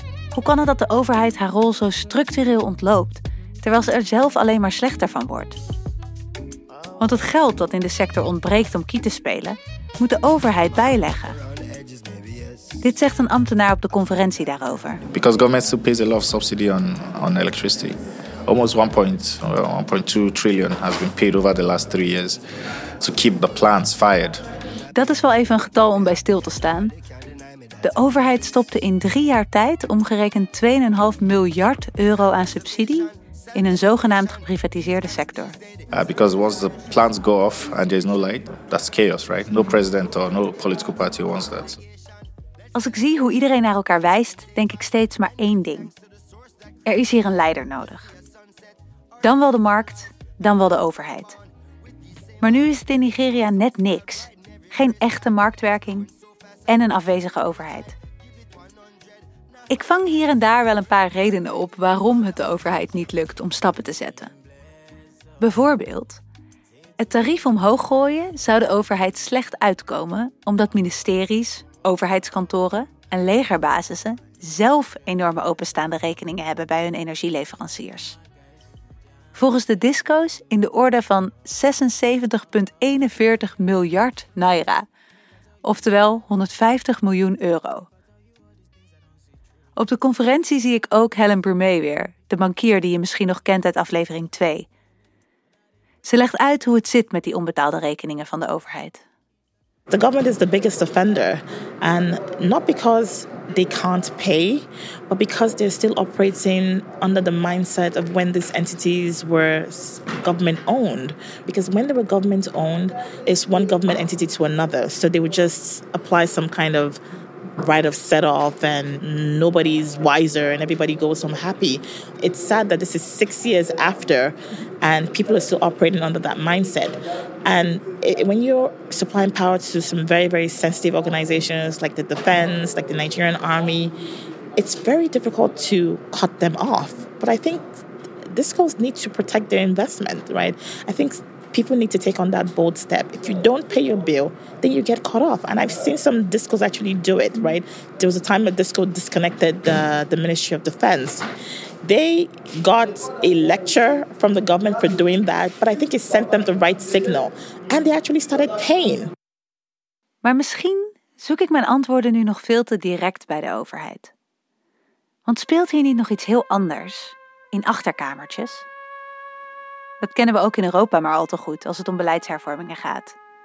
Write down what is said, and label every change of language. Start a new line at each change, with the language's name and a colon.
Dutch: Hoe kan het dat de overheid haar rol zo structureel ontloopt, terwijl ze er zelf alleen maar slechter van wordt? Want het geld dat in de sector ontbreekt om kiet te spelen, moet de overheid bijleggen. Dit zegt een ambtenaar op de conferentie daarover.
English: Because government still pays a lot of subsidy on electricity. Almost 1.2 trillion has been paid over the last 3 years to keep the plants fired.
Dutch: Dat is wel even een getal om bij stil te staan. De overheid stopte in 3 jaar tijd omgerekend 2,5 miljard euro aan subsidie in een zogenaamd geprivatiseerde sector.
English: Because once the plants go off and there is no light, that's chaos, right? No president or no political party wants that.
Dutch: Als ik zie hoe iedereen naar elkaar wijst, denk ik steeds maar één ding. Er is hier een leider nodig. Dan wel de markt, dan wel de overheid. Maar nu is het in Nigeria net niks. Geen echte marktwerking en een afwezige overheid. Ik vang hier en daar wel een paar redenen op waarom het de overheid niet lukt om stappen te zetten. Bijvoorbeeld, het tarief omhoog gooien zou de overheid slecht uitkomen omdat ministeries, overheidskantoren en legerbasissen zelf enorme openstaande rekeningen hebben bij hun energieleveranciers. Volgens de DISCO's in de orde van 76,41 miljard naira, oftewel 150 miljoen euro. Op de conferentie zie ik ook Helen Brumé weer, de bankier die je misschien nog kent uit aflevering 2. Ze legt uit hoe het zit met die onbetaalde rekeningen van de overheid.
English: The government is the biggest offender, and not because they can't pay, but because they're still operating under the mindset of when these entities were government-owned. Because when they were government-owned, it's one government entity to another. So they would just apply some kind of right of set-off and nobody's wiser and everybody goes home happy. It's sad that this is 6 years after and people are still operating under that mindset. And when you're supplying power to some very, very sensitive organizations like the defense, like the Nigerian army, it's very difficult to cut them off. But I think discos need to protect their investment, right? I think people need to take on that bold step. If you don't pay your bill, then you get cut off. And I've seen some discos actually do it, right? There was a time a disco disconnected the Ministry of Defense. They got a lecture from the government for doing that, but I think it sent them the right signal. And they actually started paying.
Dutch: Maar misschien zoek ik mijn antwoorden nu nog veel te direct bij de overheid. Want speelt hier niet nog iets heel anders in achterkamertjes? Dat kennen we ook in Europa maar al te goed als het om beleidshervormingen gaat.